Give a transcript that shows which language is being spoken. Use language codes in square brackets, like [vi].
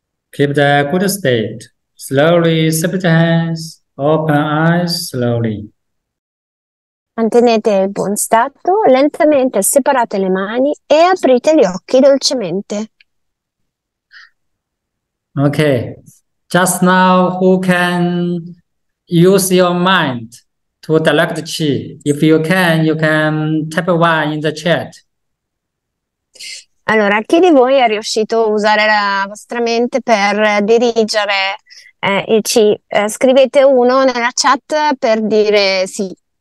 [en] Keep the good state. Slowly, separate hands. Open eyes slowly. [it] Mantenete il buon stato, lentamente separate le mani e aprite gli occhi dolcemente. [en] Okay, just now who can use your mind to direct chi? If you can tap one in the chat. [it] Allora, chi di voi è riuscito a usare la vostra mente per dirigere il chi? Scrivete uno nella chat per dire sì.